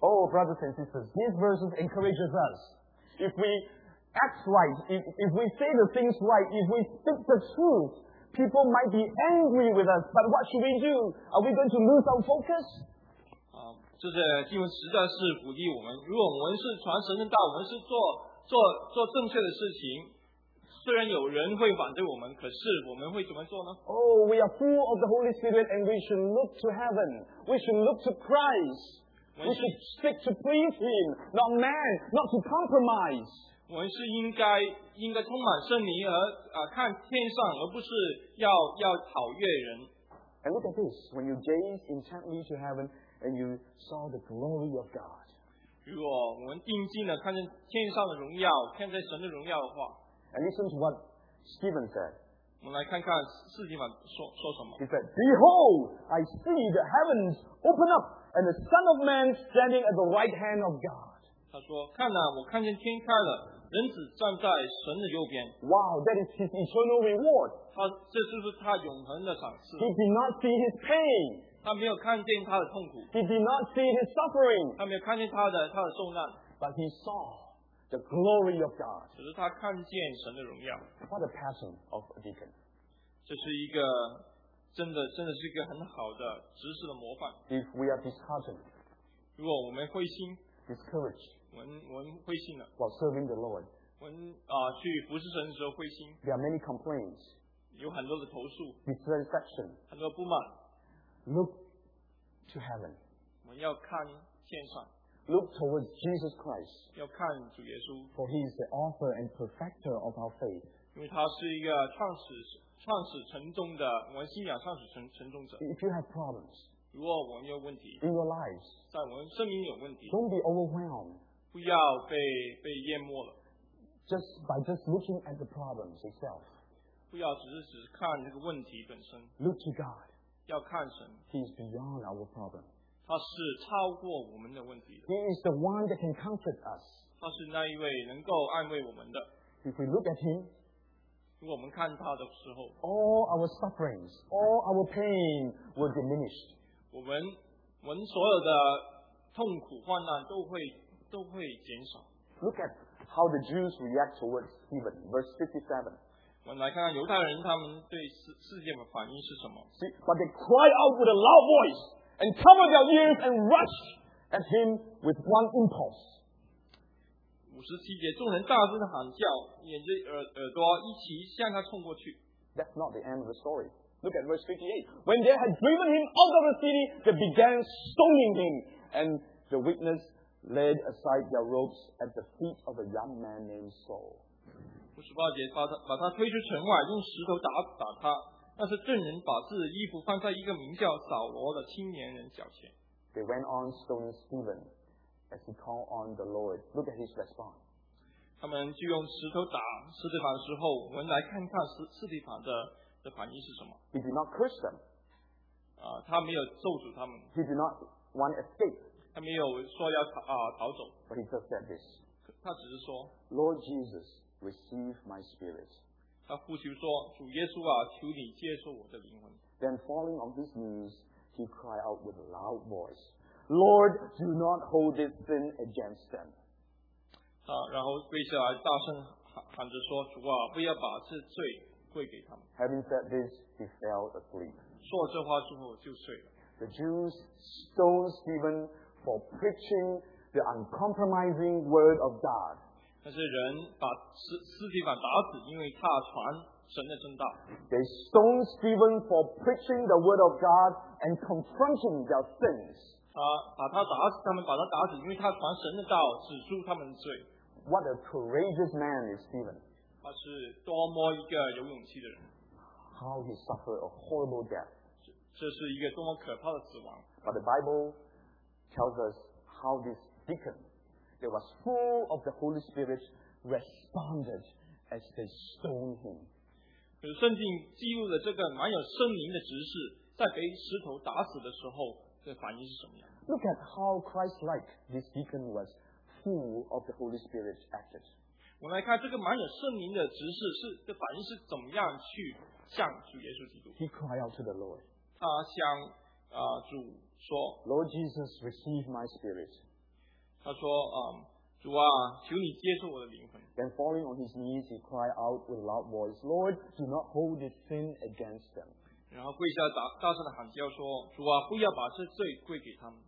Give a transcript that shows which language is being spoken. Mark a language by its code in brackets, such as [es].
[en] Oh, brothers and sisters, these verses encourage us. If we act right, if we say the things right, if we speak the truth, people might be angry with us. But what should we do? Are we going to lose our focus? [zh] 这些经文实在是鼓励我们，如果我们是传神的道，我们是做正确的事情，虽然有人会反对我们，可是我们会怎么做呢？ [en] Oh, we are full of the Holy Spirit and we should look to heaven. We should look to Christ. We should seek to please Him, not man, not to compromise. [zh] 我们是应该充满圣灵而看天上，而不是要讨悦人。 [en] And look at this, when you gaze intently to heaven,And you saw the glory of God. [zh] 如果我们定睛的看见天上的荣耀，看见神的荣耀的话 [en] ，And listen to what Stephen said. [zh] 我们来看看四经文说什么。 [en] He said, "Behold, I see the heavens open up, and the Son of Man standing at the right hand of God." [zh] 他说，看啊，我看见天开了。人子站在神的右边。 [en] Wow, that is his eternal reward. [zh] 他这就是他永恒的赏赐。 [en] He did not see his pain. [zh] 他没有看见他的痛苦。 [en] He did not see his suffering. [zh] 他没有看见他的受难。 [en] But he saw the glory of God. [zh] 只是他看见神的荣耀。 [en] What a passion of a deacon. [zh] 这是一个真的是一个很好的执事的模范。 [en] If we are disheartened, [zh] 如果我们灰心 [en] ，discouraged. [zh] 我们灰心了。 [en] While serving the Lord, [zh] 我们去服侍神的时候灰心。 [en] There are many complaints, [zh] 有很多的投诉。 [en] Dissatisfaction, [zh] 很多不满。 [en] Look to heaven, [zh] 我们要看天上。 [en] Look towards Jesus Christ, [zh] 要看主耶稣。 [en] For He is the author and perfecter of our faith, [zh] 因为他是一个创始成终的，我们信仰创始成终者。 [en] If you have problems, [zh] 如果我们有问题 [en] ，in your lives, [zh] 在我们生命有问题 [en] ，don't be overwhelmed. [zh] 不要被淹没了。 [en] Just by just looking at the problems itself. [zh] 不要只是看这个问题本身。 [en] Look to God. [zh] 要看神。 [en] He is beyond our problem. [zh] 他是超过我们的问题的。 [en] He is the one that can comfort us. [zh] 他是那一位能够安慰我们的。 [en] If we look at him, [zh] 如果我们看他的时候 [en] ，all our sufferings, all our pain will diminish. [zh] 我们所有的痛苦患难都会减少。 [en] Look at how the Jews react towards Stephen, verse 57. [zh] 我们来看看犹太人他们对事件的反应是什么。 [en] See, but they cried out with a loud voice and covered their ears and rushed at him with one impulse. [zh] 57节，众人大声喊叫，掩着耳朵一起向他冲过去。 [en] That's not the end of the story. Look at verse 58. When they had driven him out of the city, they began stoning him, and the witness. Laid aside their robes at the feet of a young man named Saul. [zh] 58节，把他推出城外，用石头打他。但是证人把自己的衣服放在一个名叫扫罗的青年人脚前。 [en] They went on stoning Stephen as he called on the Lord. Look at his response. [zh] 他们就用石头打斯蒂凡的时候，我们来看看斯蒂凡的反应是什么。 [en] He did not curse them. [zh] 他没有咒诅他们。 [en] He did not want escape. [zh] 他没有说要逃走。 [en] But he just said this. [zh] 他只是说 [en] ，Lord Jesus, receive my spirit. [zh] 他呼求说，主耶稣啊，求你接受我的灵魂。 [en] Then falling on his knees, he cried out with a loud voice, "Lord, do not hold this sin against them." [zh] 然后跪下来，大声喊着说，主啊，不要把这罪归给他们。 [en] Having said this, he fell asleep. [zh] 说这话之后就睡了。 [en] The Jews stoned Stephen. For preaching the uncompromising word of God. [zh] 但是人把斯蒂凡打死，因为他传神的真道。 [en] They stoned Stephen for preaching the word of God and confronting their sins. [zh] 他们把他打死，因为他传神的道，指出他们的罪。 [en] What a courageous man is Stephen! [zh] 他是多么一个有勇气的人。 [en] How he suffered a horrible death. [zh] 这是一个多么可怕的死亡。 [en] But the Bible. Tells us how this deacon, that was full of the Holy Spirit, responded as they stoned him. [zh] 可是圣经记录了这个蛮有圣灵的执事，在被石头打死的时候，这反应是什么样 [en] ？Look at how Christ-like this deacon was, full of the Holy Spirit, acted. [zh] 我们来看这个蛮有圣灵的执事是这反应是怎么样去向主耶稣基督。 [en] He cried out to the Lord. [zh] 他向主。说 [en] ，Lord Jesus, receive my spirit. [zh] 他说，主啊，求你接受我的灵魂。 [en] Then falling on his knees, he cried out with a loud voice, "Lord, do not hold this sin against them." [zh] 然后跪下大声的喊叫说，主啊，不要把这罪归给他们。